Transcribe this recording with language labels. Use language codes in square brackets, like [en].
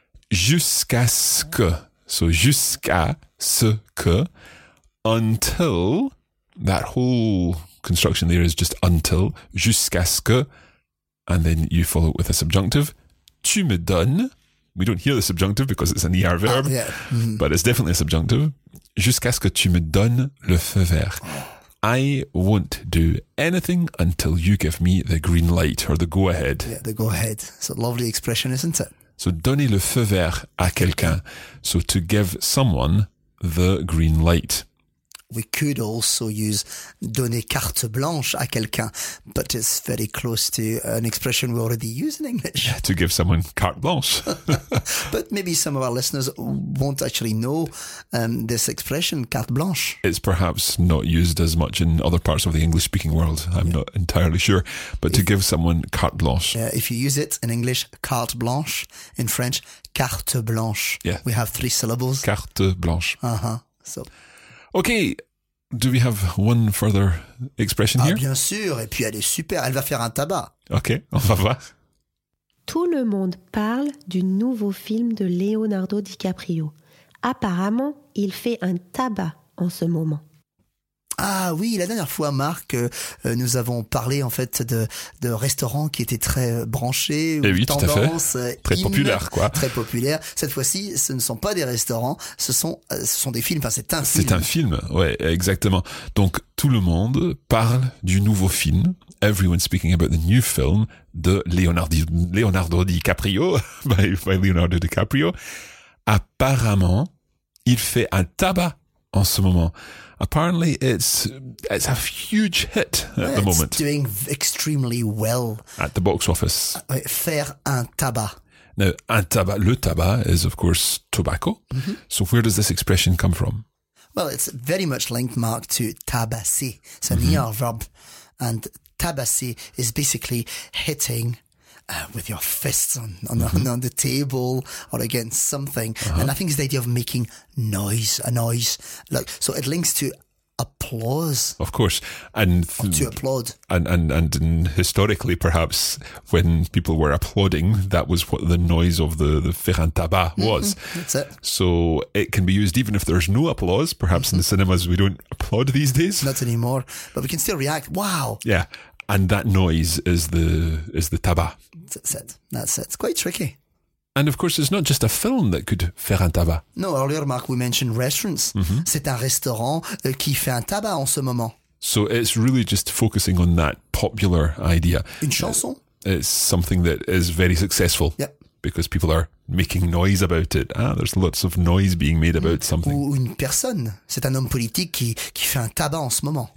[en] Jusqu'à ce que. So [fr] jusqu'à ce que, [en] until, that whole construction there is just until, jusqu'à ce que, and then you follow it with a subjunctive, [fr] tu me donnes, [en] we don't hear the subjunctive because it's an ER verb, yeah. mm-hmm. but it's definitely a subjunctive, [fr] jusqu'à ce que tu me donnes le feu vert. [en] I won't do anything until you give me the green light or the go ahead. Yeah, the go ahead. It's a lovely expression, isn't it? So [fr] donner le feu vert à quelqu'un. [en] So to give someone the green light. We could also use [fr] donner carte blanche à quelqu'un, [en] but it's very close to an expression we already use in English. Yeah, to give someone carte blanche. But maybe some of our listeners won't actually know this expression, carte blanche. It's perhaps not used as much in other parts of the English-speaking world. I'm not entirely sure. But to give someone carte blanche. Yeah, if you use it in English, carte blanche, in French, carte blanche. Yeah. We have three syllables. [fr] Carte blanche. [en] Uh-huh. So... Okay, do we have one further expression here? [fr] Ah, bien sûr, et puis elle est super, elle va faire un tabac. Okay, on va voir. Tout le monde parle du nouveau film de Leonardo DiCaprio. Apparemment, il fait un tabac en ce moment. Ah oui, la dernière fois, Marc, nous avons parlé en fait de restaurants qui étaient très branchés, et oui, tendance, tout à fait. Très populaire, quoi. Très populaire. Cette fois-ci, ce ne sont pas des restaurants, ce sont des films. Enfin, c'est un film. C'est un film, ouais, exactement. Donc tout le monde parle du nouveau film. [en] Everyone's speaking about the new film de Leonardo DiCaprio, by Leonardo DiCaprio. [fr] Apparemment, il fait un tabac en ce moment. [en] Apparently, it's a huge hit at the moment. It's doing extremely well. At the box office. [fr] Faire un tabac. [en] Now, un tabac, le tabac is, of course, tobacco. Mm-hmm. So where does this expression come from? Well, it's very much linked, Mark, to tabasser. It's an ER verb. And tabasser is basically hitting with your fists on the table or against something. Uh-huh. And I think it's the idea of making a noise. Like, so it links to applause. Of course. And to applaud. And historically, perhaps, when people were applauding, that was what the noise of the [fr] faire un tabac [en] was. That's it. So it can be used even if there's no applause, perhaps in the cinemas we don't applaud these days. Not anymore. But we can still react. Wow. Yeah. And that noise is the tabac. That's it. It's quite tricky. And of course, it's not just a film that could [fr] faire un tabac. [en] No, earlier, Mark, we mentioned restaurants. Mm-hmm. [fr] C'est un restaurant qui fait un tabac en ce moment. [en] So it's really just focusing on that popular idea. [fr] Une chanson. [en] It's something that is very successful. Yep. Because people are making noise about it. Ah, there's lots of noise being made about something. [fr] Ou une personne. C'est un homme politique qui fait un tabac en ce moment.